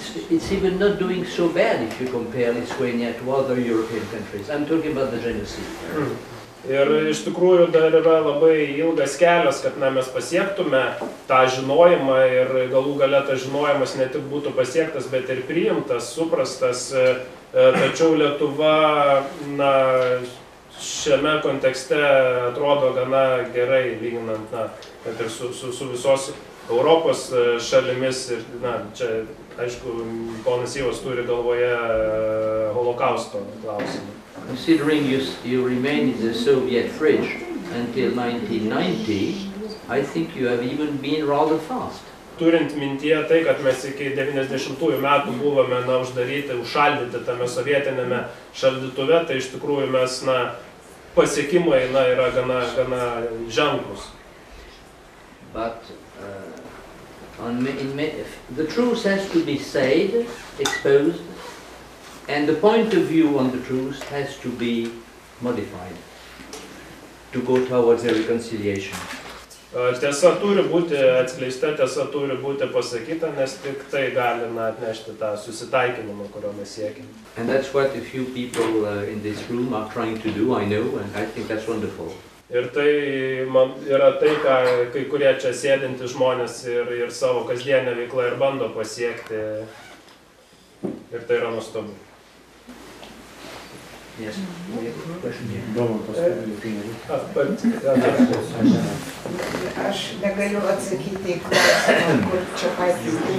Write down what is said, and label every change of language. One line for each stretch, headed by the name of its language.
English: It's even not doing so bad if you compare Lithuania to other European countries. I'm talking about the genocide.
Lithuanian: Ir iš tikrųjų dar yra labai ilgas kelias, kad na, mes pasiektume tą žinojimą ir galų gale tas žinojimas ne tik būtų pasiektas, bet ir priimtas, suprastas. Tačiau Lietuva na, šiame kontekste atrodo gana gerai, lyginant na, kad ir su visos Europos šalimis. Ir, na, čia, aišku, ponas Ivas turi galvoje holokausto klausimą.
English: Considering you remain in the Soviet fridge until 1990, I think you have even been rather fast.
Lithuanian: Turint mintyje tai, kad mes iki 90-ųjų metų buvome na, uždaryti, užšaldyti tame sovietiniame šaldytuve, tai iš tikrųjų mes na, pasiekimai na, yra gana ženklus.
English: But the truth has to be said, exposed, and the point of view on the truth has to be modified to go towards a reconciliation.
Lithuanian: Tiesa turi būti atskleista, tiesa turi būti pasakyta, nes tik tai gali atnešti tą susitaikinimą, kurio mes siekime.
English: And that's what a few people in this room are trying to do, I know, and I think that's wonderful.
Lithuanian: Ir tai man yra tai, ką kai kurie čia sėdinti žmonės ir savo kasdienę veiklą ir bando pasiekti. Ir tai yra nuostabu. Aš negaliu atsakyti, kur čia patys